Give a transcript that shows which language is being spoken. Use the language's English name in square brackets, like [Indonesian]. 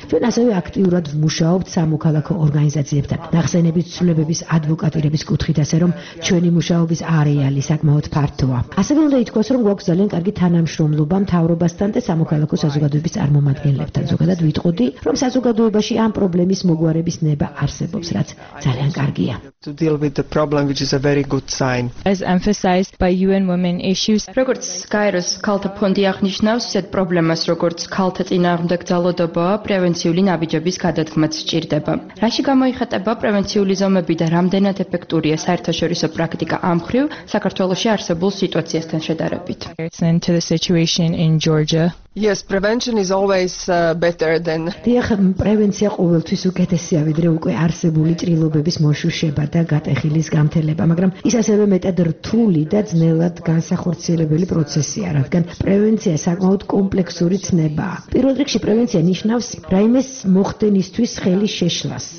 [Georgian] ჩვენ ასევე აქტიურად ვმუშაობთ სამოქალაქო ორგანიზაციებთან, ნახსენების ცვლილებების ადვოკატირების კუთხით, ასე რომ ჩვენი მუშაობის არეალი საკმაოდ ფართოა. ასევე უნდა ითქვას, რომ გვაქვს ძალიან კარგი თანამშრომლობა მთავრობასთან და სამოქალაქო საზოგადოების წარმომადგენლებთან. ზოგადად ვიტყოდი, რომ საზოგადოებაში ამ პრობლემის მოგვარების ნება არსებობს, რაც ძალიან კარგია. [English] To deal with the problem, which is a very good sign. As emphasized by UN Women issues, [Georgian] როგორც გაეროს ქალთა ფონდი აღნიშნავს, ეს პრობლემას, როგორც ქალთა წინააღმდეგ ძალადობა, პრევენციული ნაბიჯების გადადგმაც სჭირდება. რაში გამოიხატება პრევენციული ზომები და რამდენად ეფექტურია საერთაშორისო პრაქტიკა ამ ხრივ საქართველოში არსებულ სიტუაციასთან შედარებით? [English] Yes, prevention is always better than. [Georgian] დიახ, პრევენცია ყოველთვის უკეთესია ვიდრე უკვე არსებული ჭრილობების მოშუშება და გატეხილის გამთელება, მაგრამ ის ასევე მეტად რთული და ძნელად განსახორციელებელი პროცესია, რადგან პრევენცია საკმაოდ კომპლექსური ცნებაა. პირველ რიგში პრევენცია ნიშნავს რაიმეს მოხდენისთვის ხელი შეშლას.